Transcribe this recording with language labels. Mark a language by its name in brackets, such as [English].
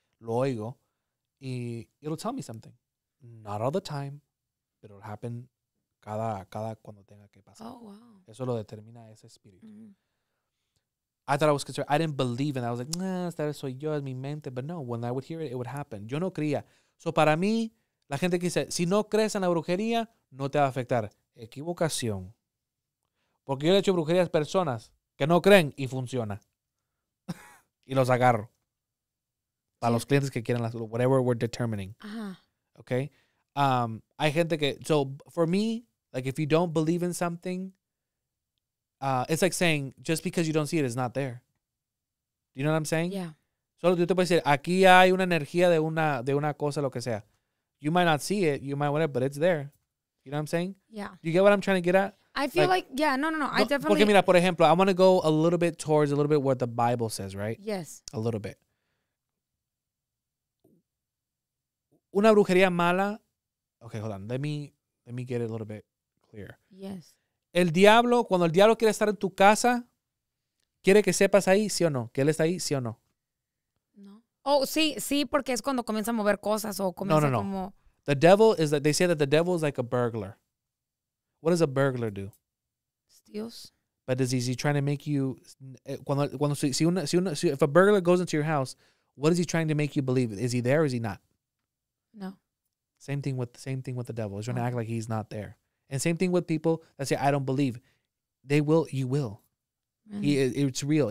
[Spanish] Lo oigo, [English] y it'll tell me something. Not all the time. But it'll happen [Spanish] cada cuando tenga que pasar. [English] Oh, wow. [Spanish] Eso lo determina ese espíritu. Mm-hmm. [English] I thought I was concerned. I didn't believe in that. I was like, nah, [Spanish] esta vez soy yo, es mi mente. [English] But no, when I would hear it, it would happen. [Spanish] Yo no creía. So para mí, la gente que dice, si no crees en la brujería, no te va a afectar. Equivocación. Porque yo le he hecho brujería a personas que no creen y funciona. Y los agarro. Para los clientes que quieren, [English] whatever we're determining. Uh-huh. Okay. [Spanish] Hay gente que, [English] so for me, like if you don't believe in something, it's like saying, just because you don't see it, it's not there. Do you know what I'm saying? Yeah. [Spanish] Solo tú te puedes decir, aquí hay una energía de una cosa, lo que sea. [English] You might not see it, you might want it, but it's there. You know what I'm saying? Yeah. You get what I'm trying to get at? I feel like yeah, no. I definitely. [Spanish] Porque mira, por ejemplo, [English] I want to go a little bit what the Bible says, right? Yes. A little bit. [Spanish] Una brujería mala. [English] Okay, hold on. Let me get it a little bit clear. Yes. [Spanish] El diablo, cuando el diablo quiere estar en tu casa, quiere que sepas ahí, sí o no, que él está ahí, sí o no. No. Oh, sí, sí, porque es cuando comienza a mover cosas o comienza como. No. [English] The devil is that they say that the devil is like a burglar. What does a burglar do? Steals. But is he trying to make you? Cuando if a burglar goes into your house, what is he trying to make you believe? Is he there or is he not? No. Same thing with the devil. He's going to act like he's not there. And same thing with people that say, I don't believe. They will, you will. Mm-hmm. It's real.